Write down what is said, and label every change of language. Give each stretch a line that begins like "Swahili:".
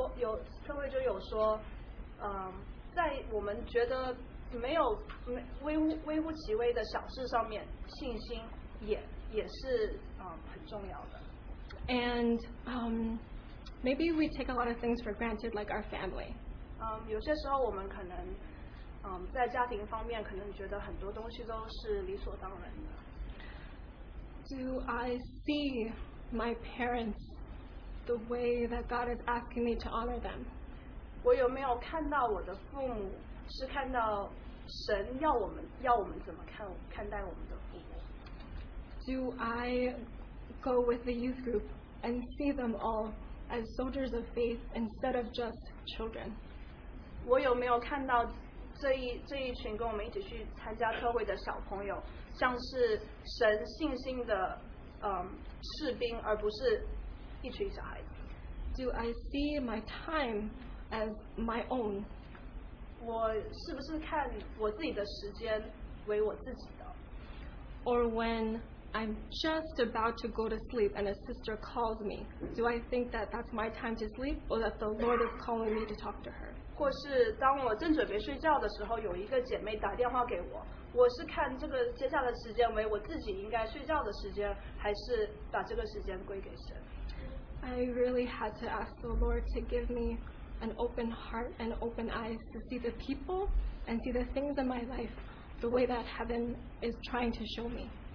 Chinese: 就让就说有社会就有说，在我们觉得没有微乎其微的小事上面，信心也是很重要的。
English: And maybe we take a lot of things for granted, like our family.
Chinese: 有些时候我们可能在家庭方面可能觉得很多东西都是理所当然的。
English: Do I see my parents the way that God is asking me to honor them?
Chinese: 我有没有看到我的父母是看到神要我们怎么看待我们的父母？
English: Do I go with the youth group and see them all as soldiers of faith instead of just children?
Chinese: 我有没有看到这一群跟我们一起去参加特会的小朋友像是神信心的士兵而不是一群小孩子？
English: Do I see my time as my own?
Chinese: 我是不是看我自己的时间为我自己的？
English: Or when I'm just about to go to sleep and a sister calls me, do I think that that's my time to sleep or that the Lord is calling me to talk to her?
Chinese: 或是当我正准备睡觉的时候有一个姐妹打电话给我，我是看这个接下来的时间为我自己应该睡觉的时间，还是把这个时间归给神？
English: I really had to ask the Lord to give me an open heart and open eyes to see the people and see the things in my life the way that heaven is trying to show me.